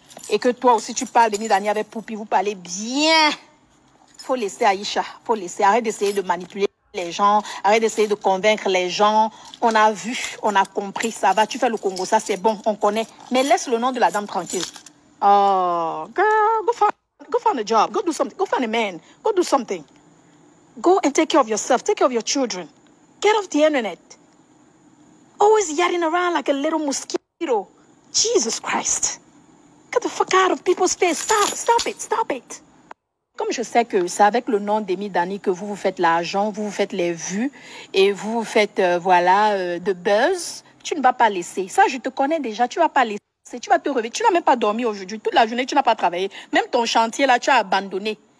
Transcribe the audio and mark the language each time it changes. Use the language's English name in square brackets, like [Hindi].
[French] Et que toi aussi tu parles d'Emi Dani avec Poupi, vous parlez bien. Faut laisser Aïcha, faut laisser. Arrête d'essayer de manipuler les gens, arrête d'essayer de convaincre les gens. On a vu, on a compris, ça va, tu fais le Congo, ça c'est bon, on connaît. Mais laisse le nom de la dame tranquille. [English] Oh, girl, go find a job, go do something, go find a man, go do something. Go and take care of yourself. Take care of your children. Get off the internet. Always yadding around like a little mosquito. Jesus Christ. Get the fuck out of people's face. Stop. Stop it. Stop it. [French] Comme je sais que c'est avec le nom d'Emi Dani que vous vous faites l'argent, vous vous faites les vues et vous vous faites, de buzz, tu ne vas pas laisser. Ça, je te connais déjà. Tu ne vas pas laisser. Tu vas te réveiller. Tu n'as même pas dormi aujourd'hui. Toute la journée, tu n'as pas travaillé. Même ton chantier, là, tu as abandonné.